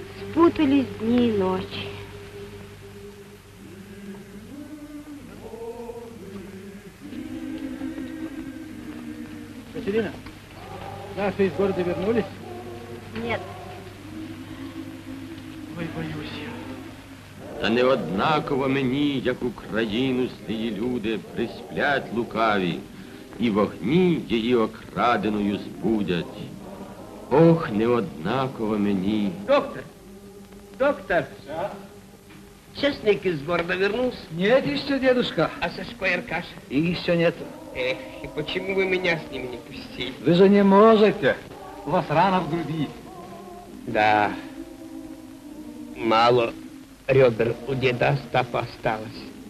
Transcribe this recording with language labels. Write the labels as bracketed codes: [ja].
[ru] Спутались дни и ночи. Катерина, наши из города вернулись? Нет. Ой, боюсь. [uk] Та не однаково мені, як Україну злі люди присплять лукаві, і вогні її окраденою збудять. Ох, не однаково мені. [ru] Доктор! Доктор! Да? [uk] Чесник із города вернувся? [ru] Нет еще, дедушка. [uk] А Сашко і Аркаша? [ru] И еще нету. Эх, и почему вы меня с ними не пустили? Вы же не можете. У вас рана в груди. Да. Мало. Ребер у деда Остапа осталось.